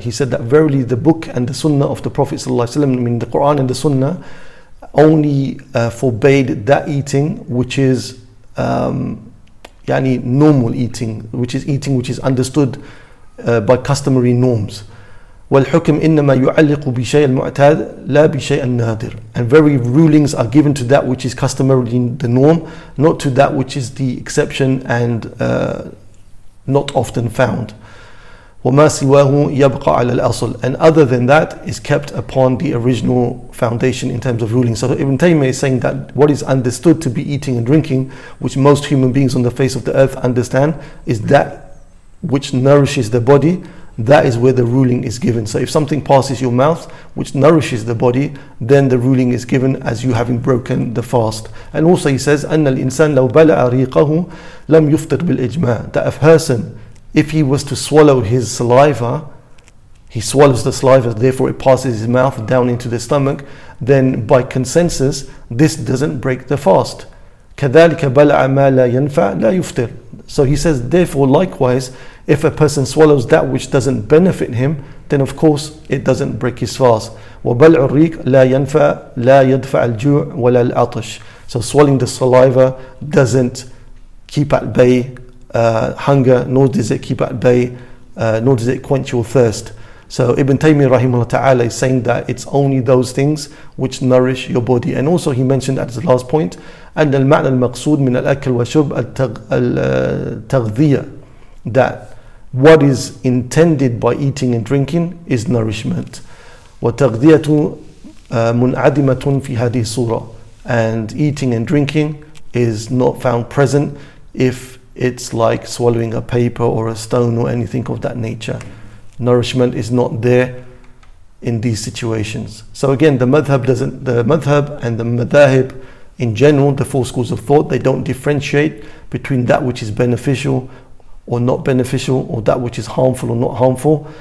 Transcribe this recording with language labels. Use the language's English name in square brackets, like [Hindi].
[English] He said that verily the book and the sunnah of the Prophet ﷺ, meaning the Quran and the sunnah, only forbade that eating which is normal eating, which is eating which is understood by customary norms. [Arabic] والحكم إنما يعلق بشيء المعتاد لا بشيء النادر. [English] And very rulings are given to that which is customarily the norm, not to that which is the exception and not often found. [Arabic] وما سواه يبقى على الأصل. [English] And other than that is kept upon the original foundation in terms of ruling. So Ibn Taymiyyah is saying that what is understood to be eating and drinking, which most human beings on the face of the earth understand, is that which nourishes the body, that is where the ruling is given. So if something passes your mouth which nourishes the body, then the ruling is given as you having broken the fast. And also he says, [Arabic] أن الإنسان لو بلع ريقه لم يفطر بالإجماع. [English] That a person, if he was to swallow his saliva, he swallows the saliva, therefore it passes his mouth down into the stomach, then by consensus, this doesn't break the fast. [Arabic] كذلك بلع ما لا ينفع لا يفطر. [English] So he says, therefore, likewise, if a person swallows that which doesn't benefit him, then of course it doesn't break his fast. [Arabic] وبلع الريق لا ينفع لا يدفع الجوع ولا العطش. [English] So swallowing the saliva doesn't keep at bay hunger, nor does it keep at bay, nor does it quench your thirst. So Ibn Taymiyyah rahimahullah ta'ala is saying that it's only those things which nourish your body. And also he mentioned at his last point, [Arabic] أن المعنى المقصود من الأكل وشرب التغذية, [English] that what is intended by eating and drinking is nourishment. [Arabic] وتغذية منعدمة في هذه الصورة. [English] And eating and drinking is not found present if it's like swallowing a paper or a stone or anything of that nature. Nourishment is not there in these situations. So again, the madhab and the madahib in general, the four schools of thought, they don't differentiate between that which is beneficial or not beneficial, or that which is harmful or not harmful.